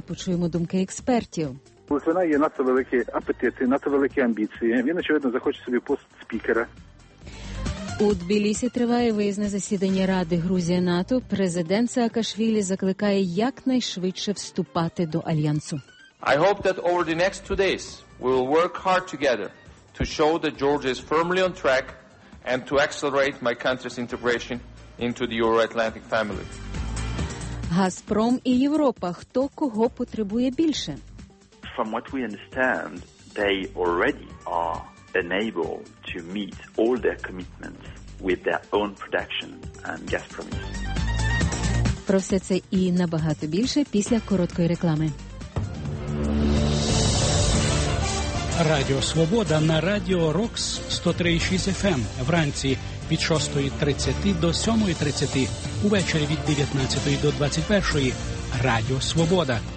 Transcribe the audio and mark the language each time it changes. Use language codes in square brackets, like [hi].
[uk] Почуємо думки експертів. У Литвина є надто великі апетити, надто великі амбіції. Він, очевидно, захоче собі пост спікера. У Тбілісі триває виїзне засідання Ради Грузія-НАТО. Президент Саакашвілі закликає якнайшвидше вступати до Альянсу. [en] I hope that over the next two days we will work hard together to show that Georgia is firmly on track and to accelerate my country's integration into the Euro-Atlantic family. [uk] Газпром і Європа. Хто кого потребує більше? [en] From what we understand, they already are unable to meet all their commitments with their own production and gas promise. [uk] Про все це і набагато більше після короткої реклами. Радіо «Свобода» на радіо «Рокс» 103.6 FM вранці від 6.30 до 7.30, увечері від 19.00 до 21.00. Радіо «Свобода».